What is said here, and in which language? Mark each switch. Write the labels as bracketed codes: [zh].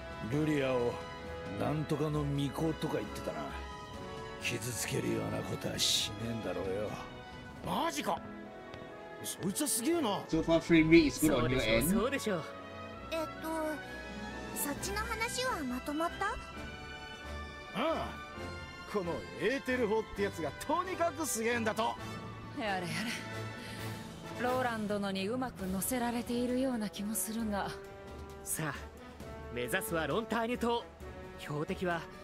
[ja] ルリアをなんとかの巫女とか言ってたな。 [en] So far, frame rate is good on your end. [ja] そうですよ。そっちの話はまとまった？ああ、このエーテル砲ってやつがとにかくすげえんだと。やれやれ。ローランドのにうまく乗せられているような気もするが。さあ、目指すはロンターニと標的は。